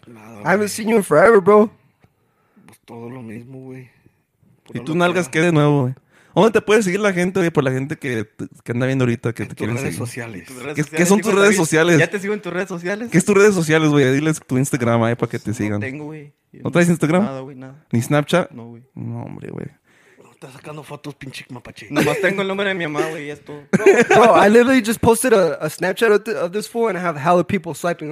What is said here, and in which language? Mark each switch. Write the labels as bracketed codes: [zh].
[es] Nada, [en] I haven't seen you in forever, bro. [es] Pues todo lo mismo, güey. ¿Y tú, nalgas, qué de nuevo, güey? ¿Dónde te puede seguir la gente, güey? Por la gente que anda viendo ahorita, que te quiere seguir. Redes sociales. ¿Qué son tus redes sociales? ¿Ya te sigo en tus redes sociales? ¿Qué es tus redes sociales, güey? Diles tu Instagram, ahí, para que te sigan. No tengo, güey. ¿No traes Instagram? Nada, güey, nada. ¿Ni Snapchat? No, güey. No, hombre, güey. Está sacando fotos, pinche mapache. Nomás tengo el número de mi mamá, güey, y es todo. [en] Bro, I literally just posted a Snapchat of this fool and I have hella people swiping.